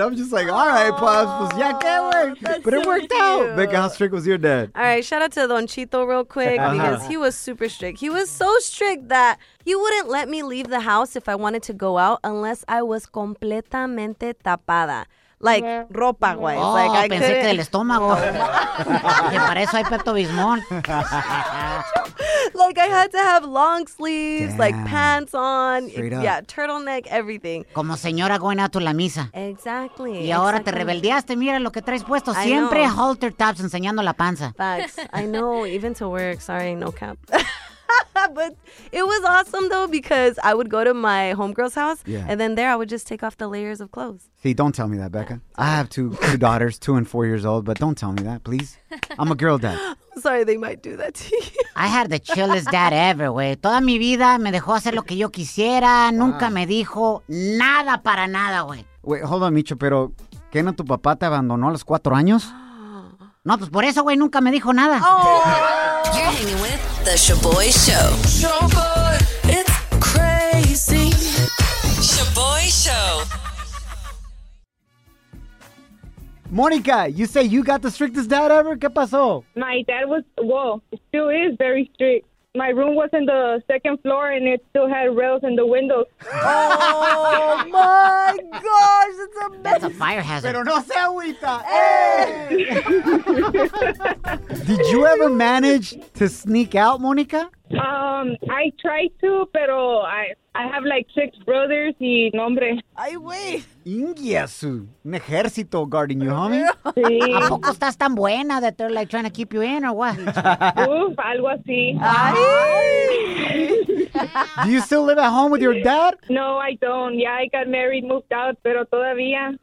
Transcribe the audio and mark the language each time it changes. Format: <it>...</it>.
<en>I'm just like, all right, Paz.</en> <es>Pues, ya que wey.</es> <en>But it worked out. Becca, how strict was your dad? All right, shout out to Don Chito real quick because he was super strict. He was so strict that he wouldn't let me leave the house if I wanted to go out unless I was</en> <es>completamente tapada. Like, ropa, güey.</es> <en>Oh, like,</en> <es>I pensé que del estómago. Que para eso hay Pepto Bismol.</es> <en>Like, I had to have long sleeves, like, pants on. Yeah, turtleneck, everything.</en> <es>Como señora</es> <en>going out to</en> <es>la misa.</es> <en>Exactly.</en> <es>Y ahora te rebeldeaste, mira lo que traes puesto. Siempre halter tops enseñando la panza.</es> <en>Facts. I know, even to work. Sorry, no cap. But it was awesome, though, because I would go to my homegirl's house, and then there I would just take off the layers of clothes. See, don't tell me that, Becca. Yeah. I have two daughters, 2 and 4 years old, but don't tell me that, please. I'm a girl dad. Sorry, they might do that to you. I had the chillest dad ever, güey.</en> <es>Toda mi vida me dejó hacer lo que yo quisiera. Wow. Nunca me dijo nada para nada, güey.</es> <en>Wait, hold on,</en> <es>Micho, pero ¿qué no tu papá te abandonó a los 4 años? No, pues por eso, güey, nunca me dijo nada.</es> <en>Oh. You're hanging with the Shaboy Show. Shaboy, it's crazy. Shaboy Show. Monica, you say you got the strictest dad ever?</en> <es>¿Qué pasó?</es> <en>My dad was, well, still is very strict. My room was in the second floor and it still had rails in the windows. Oh my gosh, it's a mess. That's a fire hazard.</en> <es>Pero no se agüita.</es> <en>Did you ever manage to sneak out, Monica? I tried to, pero I have like 6 brothers</en> <es>y nombre. Ay, güey.</es> <en>Inguiasu.</en> <es>Un ejército</es> <en>guarding you, homie.</en> <es>Sí. ¿A poco estás tan buena</es> <en>that they're like trying to keep you in or what?</en> <es>Uf, algo así. Ay.</es> <en>Do you still live at home with your dad? No, I don't. Yeah, I got married, moved out,</en> <es>pero todavía.</es>